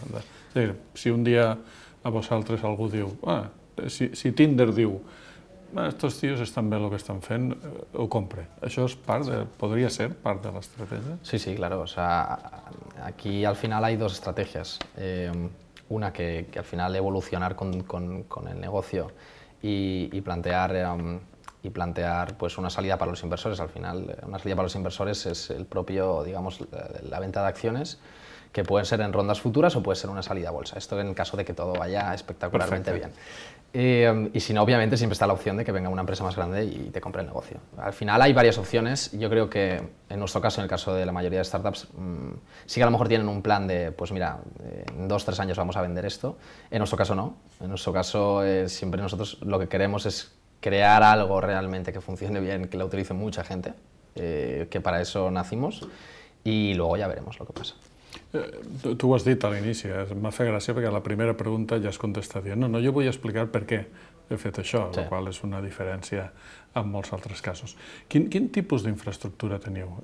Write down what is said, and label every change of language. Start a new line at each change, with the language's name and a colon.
Catalan: És a dir, si un dia a vosaltres algú diu, si Tinder diu, estos tios estan bé el que estan fent, ho compre. Això és part de, podria ser part de l'estratègia?
Spanish: Sí, sí, claro. O sea, aquí al final hay dos estrategias. Una que al final evolucionar con el negocio y plantear pues una salida para los inversores. Al final, una salida para los inversores es el propio, digamos, la venta de acciones, que pueden ser en rondas futuras o puede ser una salida a bolsa. Esto en caso de que todo vaya espectacularmente bien. Y si no, obviamente siempre está la opción de que venga una empresa más grande y te compre el negocio. Al final hay varias opciones. Yo creo que en nuestro caso, en el caso de la mayoría de startups, sí que a lo mejor tienen un plan de, pues mira, en 2-3 años vamos a vender esto. En nuestro caso no. En nuestro caso, siempre nosotros lo que queremos es crear algo realmente que funcione bien, que lo utilice mucha gente, que para eso nacimos, y luego ya veremos lo que pasa.
Catalan: Tu ho has dit a l'inici, m'ha fet gràcia perquè la primera pregunta ja has contestat dient no, jo vull explicar per què he fet això, sí. La qual és una diferència amb molts altres casos. Quin tipus d'infraestructura teniu?